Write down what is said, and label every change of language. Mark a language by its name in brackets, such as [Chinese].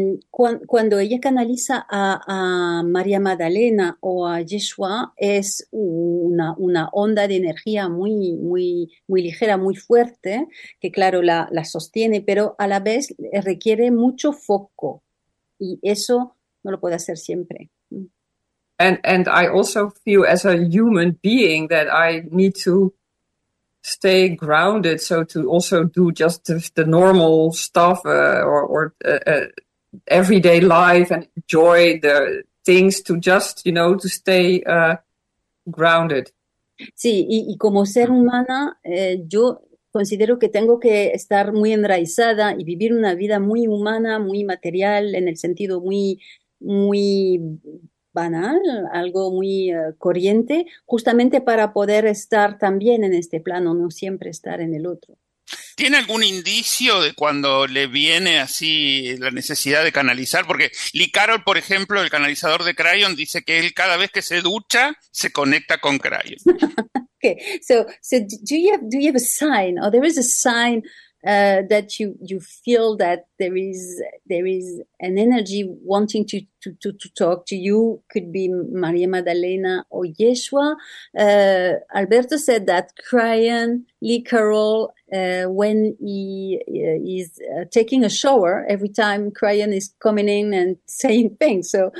[Spanish] Cuando ella canaliza a María Magdalena o a Yeshua, es una onda de energía muy, muy, muy ligera, muy fuerte, que claro, la sostiene, pero a la vez requiere mucho foco y eso no lo puede hacer siempre. [English] I also feel as a human being that I need to stay grounded, so to also do just the normal stuff or everyday life and enjoy the things to just, to stay grounded. [Spanish] Sí, y como ser humana, yo considero que tengo que estar muy enraizada y vivir una vida muy humana, muy material, en el sentido muy, muy banal, algo muy corriente, justamente para poder estar también en este plano, no siempre estar en el otro. ¿Tiene algún indicio de cuando le viene así la necesidad de canalizar? Porque Lee Carroll, por ejemplo, el canalizador de Crayon, dice que él cada vez que se ducha se conecta con Crayon. [English] Okay, so do you have a sign, or there is a sign that you feel that there is an energy wanting to talk to you? Could be Maria Magdalena or Yeshua. Alberto said that Crayon, Lee Carroll, when he is taking a shower, every time Crayon is coming in and saying things.